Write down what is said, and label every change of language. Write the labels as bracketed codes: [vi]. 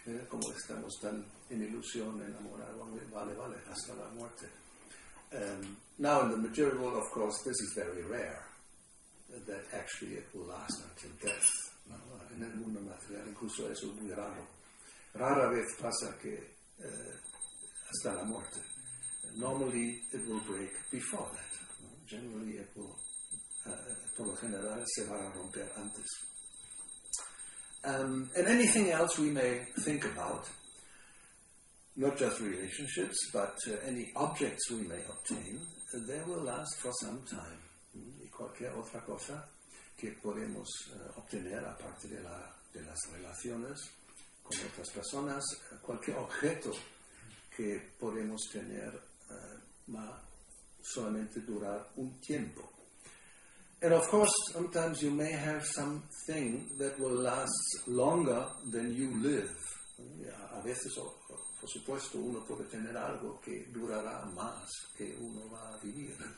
[es] Como estamos tan en ilusión, enamorados, vale, hasta la muerte. [en] Now in the material world, of course, this is very rare, that actually it will last until death. [es] No, en el mundo material, incluso eso es muy raro. Rara vez pasa que hasta la muerte. [en] Normally it will break before that. Generally it will, [es] por lo general, se va a romper antes. [en] And anything else we may think about, not just relationships, but any objects we may obtain, they will last for some time. [es] Y cualquier otra cosa que podemos obtener, aparte de, de las relaciones con otras personas, cualquier objeto que podemos tener va a solamente durar un tiempo. [en] And of course, sometimes you may have something that will last longer than you live. [es] A veces, por supuesto, uno puede tener algo que durará más que uno va a vivir.